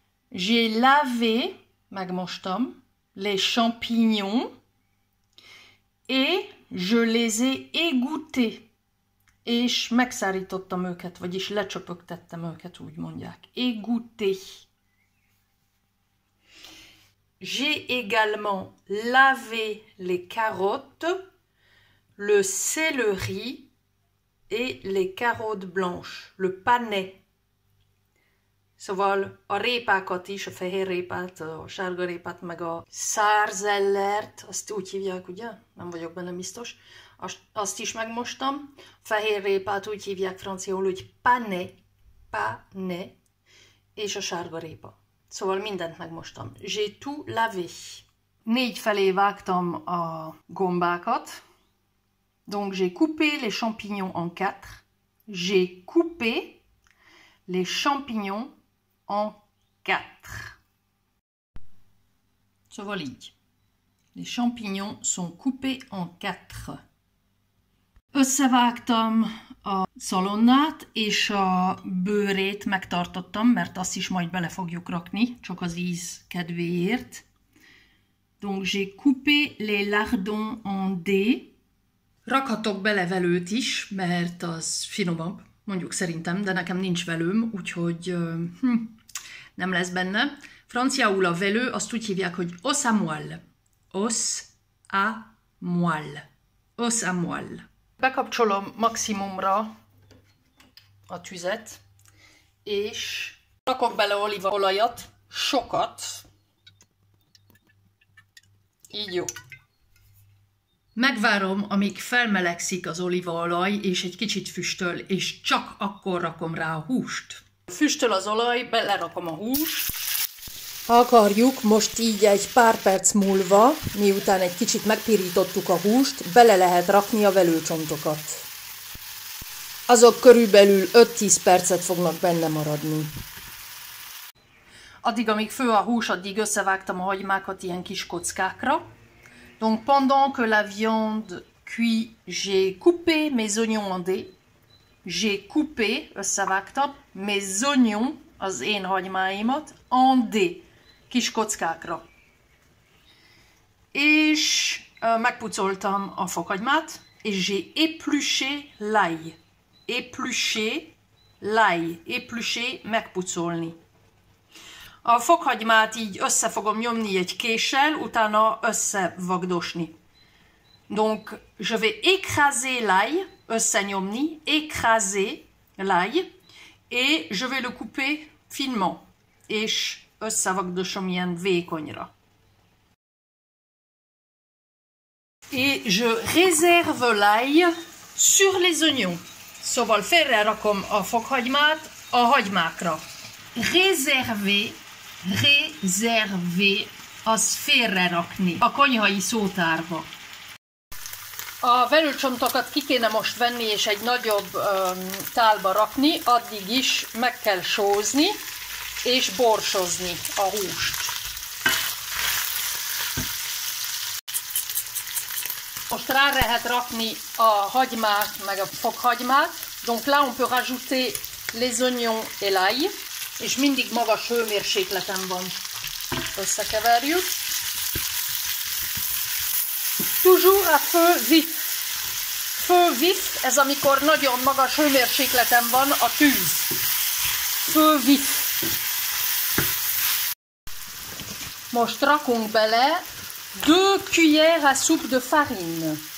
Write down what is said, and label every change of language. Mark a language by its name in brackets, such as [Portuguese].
[French] J'ai lavé, [Hungarian] megmostam, [French] les champignons, et je les ai égouttés, [Hungarian] és megszárítottam őket, vagyis lecsöpögtettem őket, úgy mondják. [French] Égouttés. J'ai également lavé les carottes, le céleri et les carottes blanches, le panais. [Hungarian] Szóval a répákat is, a fehér répát, a sárga répát, meg a sarzellert, azt úgy hívják, ugye? Nem vagyok benne biztos. Azt is megmostam. Fehér répát úgy hívják franciaul, hogy pané, és a sárga répa. Szóval mindent megmostam. [French] J'ai tout lavé. [Hungarian] 4 felé vágtam a gombákat. [French] Donc j'ai coupé les champignons en 4. J'ai coupé les champignons en 4. [Hungarian] Szóval így. [French] Les champignons sont coupés en 4. [Hungarian] Összevágtam a szalonnát és a bőrét megtartottam, mert azt is majd bele fogjuk rakni, csak az íz kedvéért. [French] Donc j'ai coupé les lardons en dés. [Hungarian] Rakhatok bele velőt is, mert az finomabb, mondjuk szerintem, de nekem nincs velőm, úgyhogy nem lesz benne. Franciául a velő, azt úgy hívják, hogy [French] os à moelle. Os à moelle. Os à moelle. [Hungarian] Bekapcsolom maximumra a tüzet, és rakok bele olívaolajat, sokat. Így jó. Megvárom, amíg felmelegszik az olívaolaj, és egy kicsit füstöl, és csak akkor rakom rá a húst. Füstöl az olaj, belerakom a húst. Akarjuk most így egy pár perc múlva, miután egy kicsit megpirítottuk a húst, bele lehet rakni a velőcsontokat. Azok körülbelül 5-10 percet fognak benne maradni. Addig, amíg fő a hús, addig összevágtam a hagymákat ilyen kis kockákra. [French] Donc pendant que la viande cuit, j'ai coupé mes oignons en dés. J'ai coupé, [Hungarian] összevágtam, [French] mes oignons, [Hungarian] az én hagymáimat, [French] en dés, [Hungarian] kis kockákra. És megpucoltam a fokhagymát, és [French] j'ai épluché l'ail. Épluché l'ail. Épluché, [Hungarian] megpucolni. A fokhagymát így össze fogom nyomni egy késsel, utána összevagdosni. [French] Donc, je vais écraser l'ail, [Hungarian] összenyomni, [French] écraser l'ail, et je vais le couper finement, [Hungarian] és összevagdosom ilyen vékonyra. [French] Et je réserve l'ail sur les oignons. [Hungarian] Szóval félre rakom a fokhagymát a hagymákra. Réserver. Rézervé, az félre rakni a konyhai szótárba. A velőcsontokat ki kéne most venni és egy nagyobb tálba rakni, addig is meg kell sózni és borsozni a húst. Most rá lehet rakni a hagymát meg a fokhagymát. [French] Donc là on peut rajouter les oignons et l'ail. [Hungarian] És mindig magas hőmérsékleten van. Összekeverjük. [French] Toujours à feu vif. Feu vif, [Hungarian] ez amikor nagyon magas hőmérsékleten van a tűz. [French] Feu vif. [Hungarian] Most rakunk bele [French] 2 cuillères à soupe de farine.